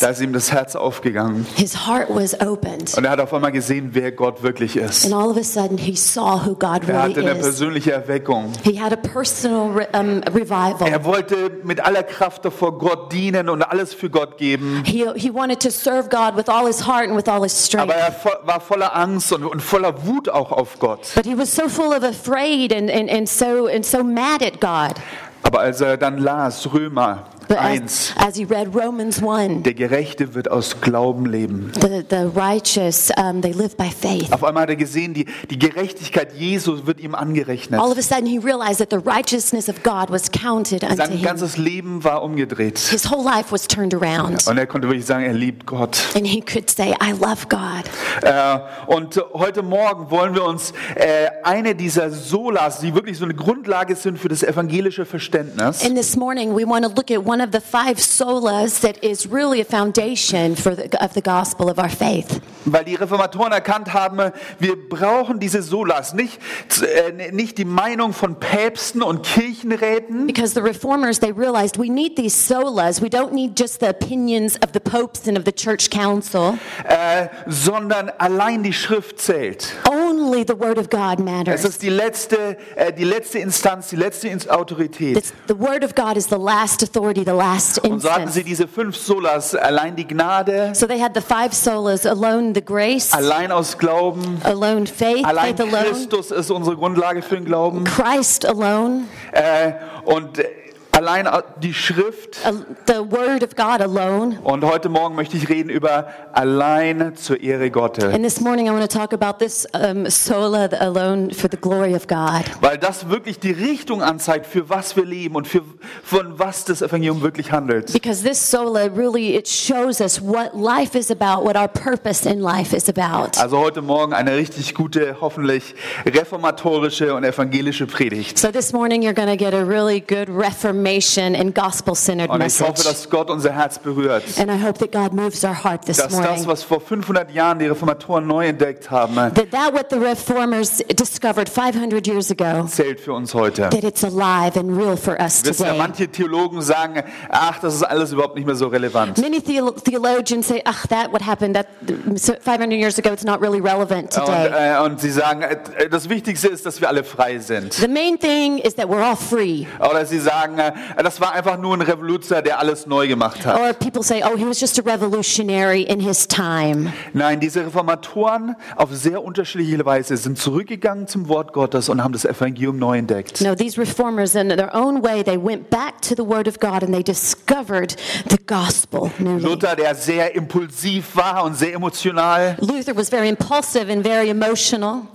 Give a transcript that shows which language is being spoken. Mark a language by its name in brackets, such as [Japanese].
[German] da ist ihm das Herz aufgegangen. [English] His heart was opened. [German] Und er hat auf einmal gesehen, wer Gott wirklich ist. [English] And all of a sudden he saw who God really is. [German] Er hatte eine persönliche Erweckung. [English] He had a personal revival. [German] Er wollte mit aller Kraft vor Gott dienen und alles für Gott geben. [English] He wanted to serve God with all his heart and with all his strength. [German] Aber war voller Angst und voller Wut auch auf Gott. [English] But he was so full of afraid and so mad at God. [German] Aber als er dann las Römer 1, [English] as he read Romans 1, [German] der Gerechte wird aus Glauben leben. [English] The righteous, they live by faith. [German] Auf einmal hat er gesehen, die Gerechtigkeit Jesu wird ihm angerechnet. [English] All of a sudden he realized that the righteousness of God was counted unto him. [German] Sein ganzes Leben war umgedreht. [English] His whole life was turned around. [German] Und er konnte wirklich sagen, er liebt Gott. [English] And he could say, I love God. [German] Und heute Morgen wollen wir uns eine dieser Solas, die wirklich so eine Grundlage sind für das evangelische Verständnis. [English] And this morning we want to look at one of the five solas that is really a foundation for the gospel of our faith. [German] Weil die Reformatoren erkannt haben, wir brauchen diese Solas, nicht die Meinung von Päpsten und Kirchenräten. [English] Because the reformers, they realized we need these solas. We don't need just the opinions of the popes and of the church council. [German] Sondern allein die Schrift zählt. [English] Only the word of God matters. [German] Es ist die letzte Instanz, die letzte Autorität. [English] The word of God is the last authority. The last [German] und so hatten sie diese fünf Solas, allein die Gnade, [English] so they had the five solas, alone the grace, [German] allein aus Glauben, [English] alone faith, [German] allein [English] faith [German] Christus [English] alone, [German] ist unsere Grundlage für den Glauben, [English] Christ alone, [German] und Allein die Schrift. [English] The word of God alone. [German] Und heute Morgen möchte ich reden über allein zur Ehre Gottes. [English] And this morning I want to talk about this sola alone for the glory of God. [German] Weil das wirklich die Richtung anzeigt, für was wir leben und für von was das Evangelium wirklich handelt. [English] Because this sola really it shows us what life is about, what our purpose in life is about. [German] Also heute Morgen eine richtig gute, hoffentlich reformatorische und evangelische Predigt. [English] So this morning you're going to get a really good reformation and gospel-centered message. [German] Und ich hoffe, dass Gott unser Herz berührt. [English] And I hope that God moves our heart this morning. [German] Dass das, was vor 500 Jahren die Reformatoren neu entdeckt haben, [English] that what the reformers discovered 500 years ago, [German] zählt für uns heute. [English] That it's alive and real for us today. [German] Wisst ihr, manche Theologen sagen, ach, das ist alles überhaupt nicht mehr so relevant. [English] Many theologians say, ach, that what happened that 500 years ago, it's not really relevant today. [German] Und sie sagen, das Wichtigste ist, dass wir alle frei sind. [English] The main thing is that we're all free. [German] Oder sie sagen, das war einfach nur ein Revoluzzer, der alles neu gemacht hat. [English] Or people say, oh, he was just a revolutionary in his time. [German] Nein, diese Reformatoren auf sehr unterschiedliche Weise sind zurückgegangen zum Wort Gottes und haben das Evangelium neu entdeckt. [English] No, these reformers in their own way, they went back to the word of God and they discovered the gospel. [German] Luther, der sehr impulsiv war und sehr emotional. [English] Luther was very impulsive and very emotional.